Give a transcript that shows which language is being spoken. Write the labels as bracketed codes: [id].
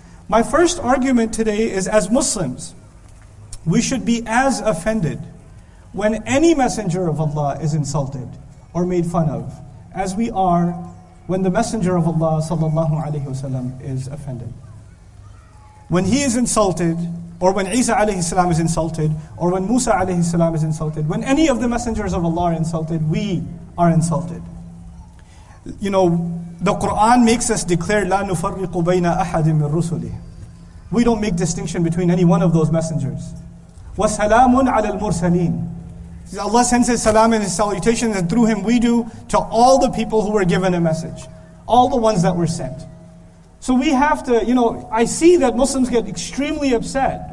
[en] My first argument today is, as Muslims, we should be as offended when any messenger of Allah is insulted or made fun of as we are when the messenger of Allah sallallahu alayhi wasallam is offended. When he is insulted, or when Isa alayhi salam is insulted, or when Musa alayhi salam is insulted, when any of the messengers of Allah are insulted, we are insulted. The Quran makes us declare, [ar] لَا نُفَرِّقُ بَيْنَ أَحَدٍ مِّن رُسُلِهِ. [en] We don't make distinction between any one of those messengers. [ar] وَسَلَامٌ عَلَى الْمُرْسَلِينَ. [en] Allah sends His salam and His salutation, and through Him we do, to all the people who were given a message. All the ones that were sent. So we have to, I see that Muslims get extremely upset.